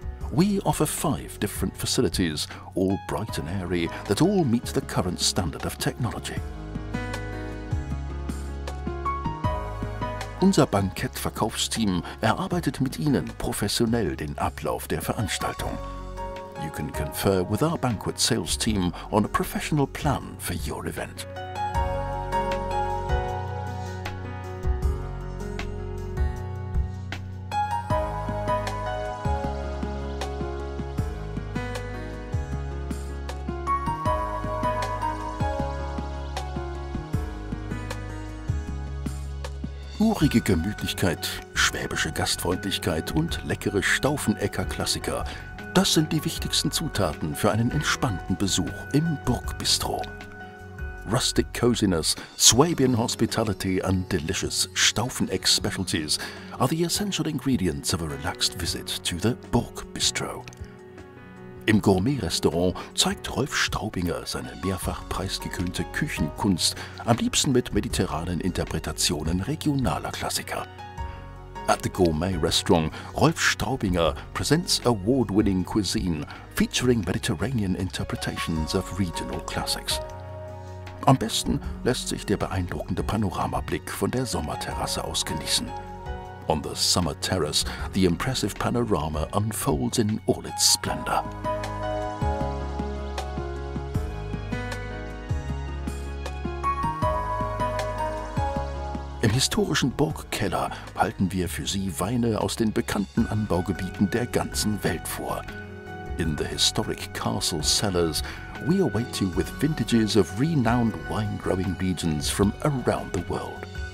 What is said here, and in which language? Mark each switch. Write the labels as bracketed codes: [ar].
[en] We offer 5 different facilities, all bright and airy, that all meet the current standard of technology. [de] Unser Bankettverkaufsteam erarbeitet mit Ihnen professionell den Ablauf der Veranstaltung. [en] You can confer with our banquet sales team on a professional plan for your event. [de] Urige Gemütlichkeit, schwäbische Gastfreundlichkeit und leckere Stauffenecker-Klassiker – das sind die wichtigsten Zutaten für einen entspannten Besuch im Burgbistro. [en] Rustic coziness, Swabian hospitality and delicious Stauffeneck specialties are the essential ingredients of a relaxed visit to the Burgbistro. [de] Im Gourmet-Restaurant zeigt Rolf Straubinger seine mehrfach preisgekrönte Küchenkunst, am liebsten mit mediterranen Interpretationen regionaler Klassiker. [en] At the Gourmet-Restaurant, Rolf Straubinger presents award-winning cuisine featuring Mediterranean interpretations of regional classics. [de] Am besten lässt sich der beeindruckende Panoramablick von der Sommerterrasse aus genießen. [en] On the summer terrace, the impressive panorama unfolds in all its splendor. [de] Im historischen Burgkeller halten wir für Sie Weine aus den bekannten Anbaugebieten der ganzen Welt vor. [en] In the historic castle cellars, we await you with vintages of renowned wine-growing regions from around the world.